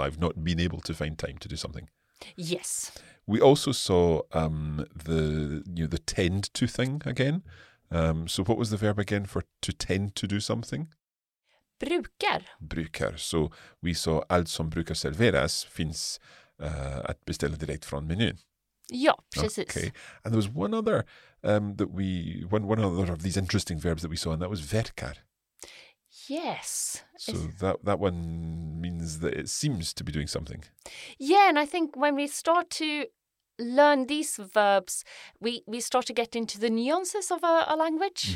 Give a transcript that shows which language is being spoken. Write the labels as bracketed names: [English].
[English] I've not been able to find time to do something. Yes. We also saw the tend to thing again. So what was the verb again for to tend to do something? [Swedish] Brukar. Brukar. [English] So we saw [Swedish] allt som brukar serveras finns att beställa direkt från menyn. Ja, precis. [English] Okay. And there was one other one other of these interesting verbs that we saw, and that was verkar. Yes. So that one means that it seems to be doing something. Yeah, and I think when we start to learn these verbs, we start to get into the nuances of a language.